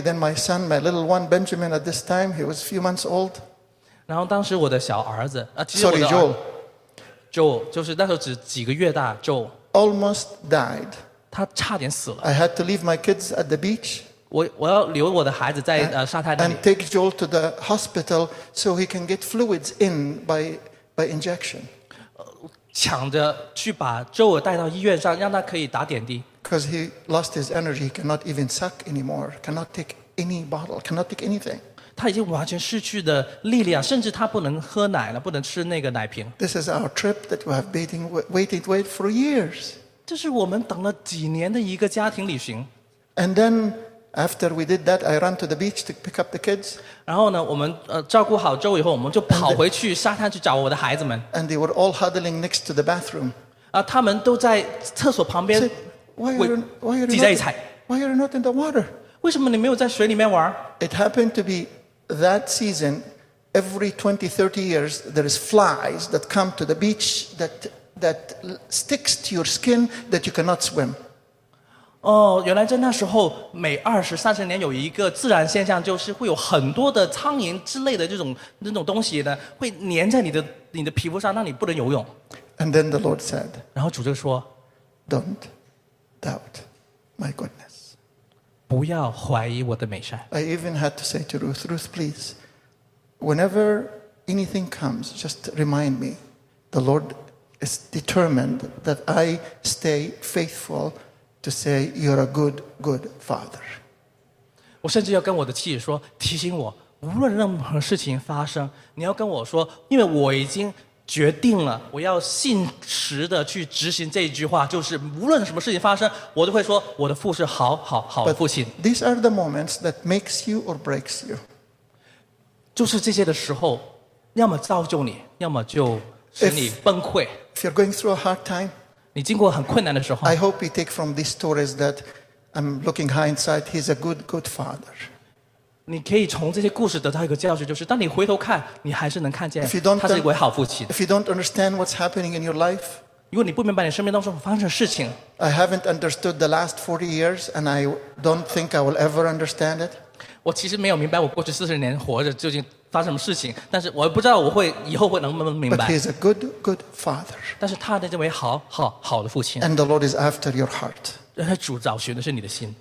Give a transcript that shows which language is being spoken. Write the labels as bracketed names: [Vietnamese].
[English] Then my son, my little one, Benjamin, at this time, he was a few months old. [Chinese] 然后当时我的小儿子, [English] Sorry, Joel. [Chinese] Joel, 就是那时候只几个月大, Joel. [English] Almost died. [Chinese] 他差点死了。 [English] I had to leave my kids at the beach. [Chinese] 我要留我的孩子在沙滩那里。 [English] And take Joel to the hospital so he can get fluids in by injection. [Chinese] 抢着去把 Joel 带到医院上，让他可以打点滴。 [English] Because he lost his energy, he cannot even suck anymore, cannot take any bottle, cannot take anything. [Chinese] 他已经完全失去的力量，甚至他不能喝奶了，不能吃那个奶瓶。 [English] This is our trip that we have waited for years. [Chinese] 这是我们等了几年的一个家庭旅行。 [English] And then after we did that, I ran to the beach to pick up the kids. [Chinese] 然后呢，我们照顾好周以后，我们就跑回去沙滩去找我的孩子们。 [English] And they were all huddling next to the bathroom. [Chinese] 他们都在厕所旁边。 [English] Why are you not in the water? [Chinese] 为什么你没有在水里面玩? [English] It happened to be that season, every 20, 30 years, there is flies that come to the beach that sticks to your skin that you cannot swim. [Chinese] 哦，原来在那时候，每20、30年有一个自然现象，就是会有很多的苍蝇之类的这种东西呢，会粘在你的皮肤上，让你不能游泳。 [English] And then the Lord said, [Chinese] 然后主就说, [English] Don't. Doubt, my goodness. [Chinese] 不要怀疑我的美善。 [English] I even had to say to Ruth, Ruth, please, whenever anything comes, just remind me, the Lord is determined that I stay faithful to say you're a good, good father. [Chinese] 我甚至要跟我的妻子说，提醒我，无论任何事情发生，你要跟我说，因为我已经。决定了，我要信实的去执行这一句话，就是无论什么事情发生，我都会说我的父是好好好父亲。 [English] But these are the moments that makes you or breaks you. [Chinese] 就是这些的时候，要么造就你，要么就使你崩溃。 [English] If you're going through a hard time, [Chinese] 你经过很困难的时候 [English] ，I hope you take from these stories that I'm looking hindsight. He's a good, good father. [Chinese] 你可以从这些故事得到一个教训，就是当你回头看，你还是能看见他是一位好父亲。 [English] If you don't understand what's happening in your life, [Chinese] 如果你不明白你生命当中发生的事情 [English] ，I haven't understood the last 40 years, and I don't think I will ever understand it. [Chinese] 我其实没有明白我过去40年活着究竟发生什么事情，但是我不知道我会以后会能不能明白。 [English] But he's a good, good father. [Chinese] 但是他的这位好的父亲。 [English] And the Lord is after your heart. [Chinese] 让他主找寻的是你的心。